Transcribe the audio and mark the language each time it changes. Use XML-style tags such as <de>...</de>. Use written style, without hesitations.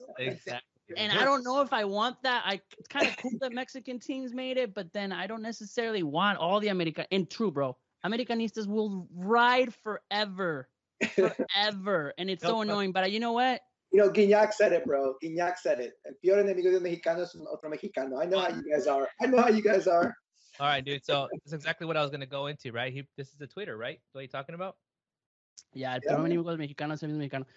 <en>Exactly. And I don't know if I want that. It's kind of cool that Mexican teams made it, but then I don't necessarily want all the America. And true, bro, Americanistas will ride forever. And it's so annoying. But you know what? You know, Guignac said it, bro. Guignac said it.</en> <es>El peor enemigo de Mexicano es otro Mexicano.</es> <en>I know how you guys are. All right, dude. So that's exactly what I was going to go into, right? This is the Twitter, right? What are you talking about?</en> <es>Yeah, el peor enemigo de Mexicano es otro Mexicano.</es>